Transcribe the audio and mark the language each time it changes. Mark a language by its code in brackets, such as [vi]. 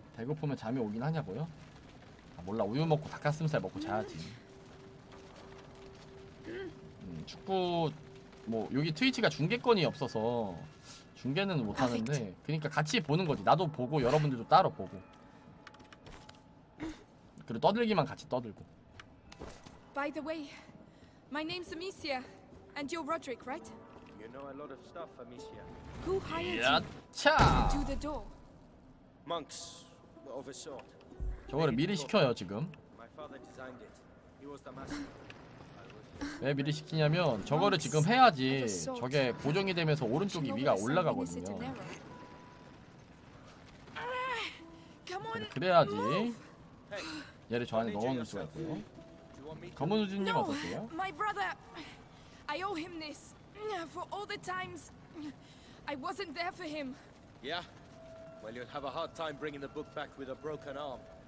[ko] 배고프면 잠이 오긴 하냐고요? 아, 몰라 우유 먹고 닭가슴살 먹고 자야지. 축구 뭐 여기 트위치가 중계권이 없어서 중계는 못 하는데 그러니까 같이 보는 거지. 나도 보고 여러분들도 따로 보고. 그리고 떠들기만 같이 떠들고. [en] By the way, my name's Amicia and you're Roderick, right? You know a lot of stuff, Amicia. Who hired you? Do the door. Monks of a sort. [ko] 저거를 미리 시켜요, 지금. [en] My father designed it. He was the master. [ko] 왜 미리 시키냐면 저거를 지금 해야지 저게 고정이 되면서 오른쪽이 위가 올라가거든요. 그래야지 얘를 저 안에 넣어놓을 수가 있고요. 검은 우주님 어떠세요? [en] My brother, I owe him this for all the times I wasn't there for him. Yeah, well you'll have a hard time bringing the book back with a broken arm.